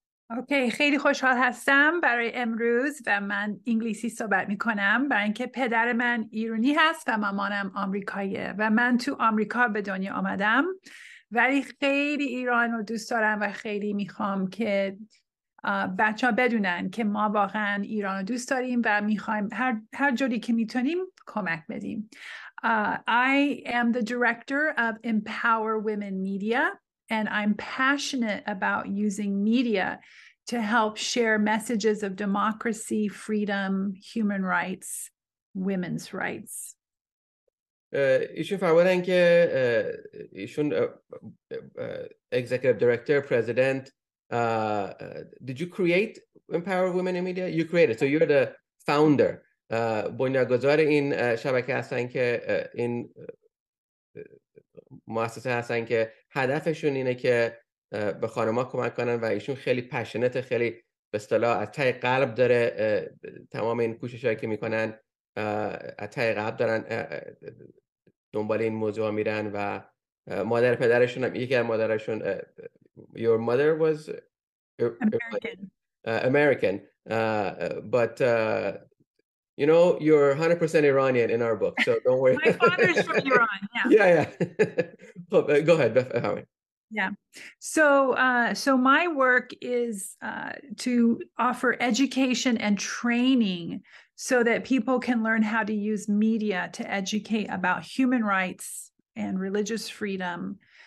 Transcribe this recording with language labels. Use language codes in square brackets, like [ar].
[fa] اوکی، خیلی خوشحال هستم برای امروز و من انگلیسی صحبت میکنم برای اینکه پدر من ایرانی هست و مامانم آمریکاییه و من تو آمریکا به دنیا آمدم ولی خیلی ایران رو دوست دارم و خیلی میخوام که بچه ها بدونن که ما واقعا ایران رو دوست داریم و میخوایم هر جوری که میتونیم کمک بدیم. [en] I am the director of Empower Women Media and I'm passionate about using media to help share messages of democracy, freedom, human rights, women's rights. [fa] ایشون فرمودن که ایشون [en] executive director, president. Did you create Empower Women in Media? You created, so you're the founder. [fa] بنیانگذار این شبکه هستن که این مؤسسه هستن که هدفشون اینه که به خانم‌ها کمک کنن و ایشون خیلی پشنت، خیلی به اصطلاح از تای قلب داره تمام این کوشش هایی که میکنن، از تای قلب دارن دنبال این موضوع میرن و مادر پدرشون هم، یکی از مادرشون، [en] your mother was American. But you know, you're 100% Iranian in our book, so don't worry. My father's from Iran. Yeah. Go ahead. Yeah. So my work is to offer education and training so that people can learn how to use media to educate about human rights and religious freedom.